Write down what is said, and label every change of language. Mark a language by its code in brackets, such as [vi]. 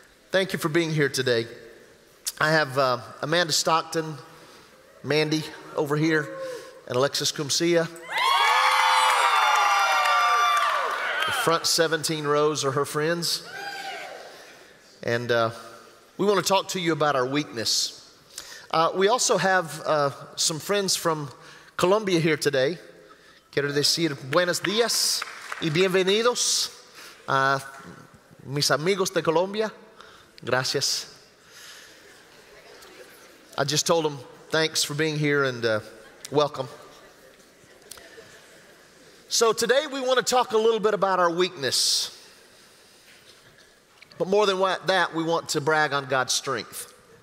[en] Thank you for being here today. I have Amanda Stockton, Mandy over here, and Alexis Kumsia. The front 17 rows are her friends. And we want to talk to you about our weakness. We also have some friends from Colombia here today. [es] Quiero decir buenos días y bienvenidos a mis amigos de Colombia. Gracias. [en] I just told them thanks for being here and welcome. So today we want to talk a little bit about our weakness. But more than that, we want to brag on God's strength.